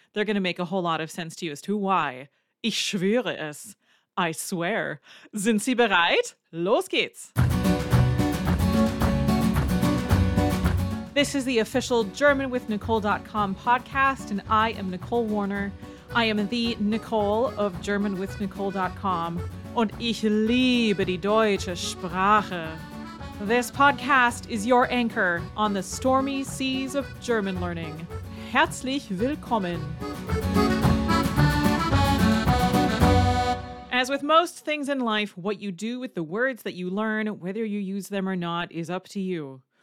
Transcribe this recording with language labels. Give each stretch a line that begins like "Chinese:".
English: They're going to make a whole lot of sense to you as to why.
German: Ich schwöre es.
English: I swear.
German: Sind Sie bereit? Los geht's!
English: This is the official GermanWithNicole.com podcast, and I am Nicole Warner. I am the Nicole of GermanWithNicole.com,
German: und ich liebe die deutsche Sprache.
English: This podcast is your anchor on the stormy seas of German learning.
German: Herzlich willkommen.
English: As with most things in life, what you do with the words that you learn, whether you use them or not, is up to you.